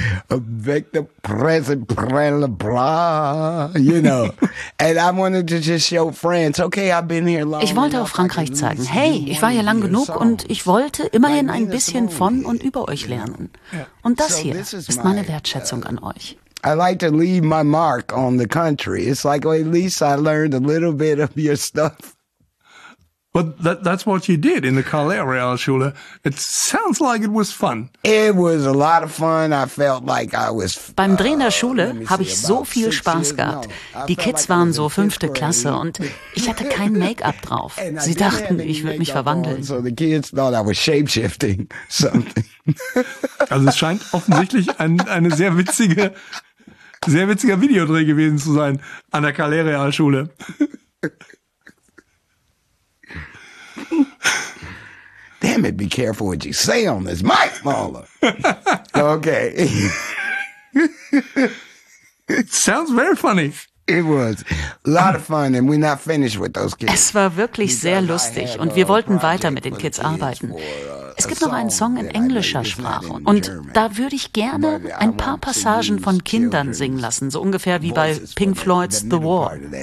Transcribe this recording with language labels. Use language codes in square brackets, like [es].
[en] Avec the present, blah, blah, you know. And I wanted to just show France, okay, I've been here long. [de] Ich wollte auch Frankreich zeigen. Hey, ich war hier lang genug und ich wollte immerhin ein bisschen von und über euch lernen. Und das hier ist meine Wertschätzung an euch. [en] I like to leave my mark on the country. It's like, well, at least I learned a little bit of your stuff. But that's what you did in the Calais Realschule. It sounds like it was fun. It was a lot of fun. I felt like I was. [de] Beim Drehen der Schule habe ich so viel Spaß gehabt. Die Kids waren so fünfte Klasse und ich hatte kein Make-up drauf. Sie dachten, ich würde mich verwandeln. [en] So the kids thought I was shape-shifting something. [de] Also es scheint offensichtlich eine sehr witziger Videodreh gewesen zu sein an der Calais Realschule. [en] Damn it, be careful what you say on this mic, Mahler. Okay. It sounds very funny. It was a lot of fun and we're not finished with those kids. [de] Es war wirklich sehr lustig und wir wollten weiter mit den Kids arbeiten. Es gibt noch einen Song in englischer Sprache und da würde ich gerne ein paar Passagen von Kindern singen lassen, so ungefähr wie bei Pink Floyd's The Wall.